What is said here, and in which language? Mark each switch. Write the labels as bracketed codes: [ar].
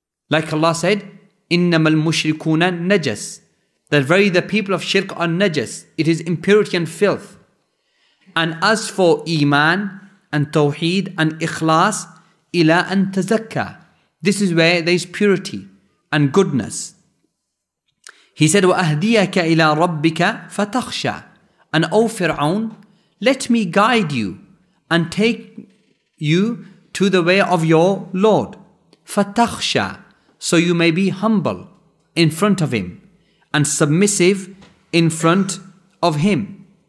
[en] Like Allah said, [ar] إِنَّمَا الْمُشْرِكُونَ [en] najas. That very the people of shirk are najas, it is impurity and filth. And as for iman, and tawheed, and ikhlas, [ar] إِلَىٰ أَن تَزَكَّىٰ. [en] This is where there is purity and goodness. He said, [ar] وَأَهْدِيَكَ إِلَىٰ رَبِّكَ فَتَخْشَىٰ. [en] And O Fir'aun, let me guide you and take you to the way of your Lord. [ar] فَتَخْشَىٰ. [en] So you may be humble in front of him and submissive in front of him.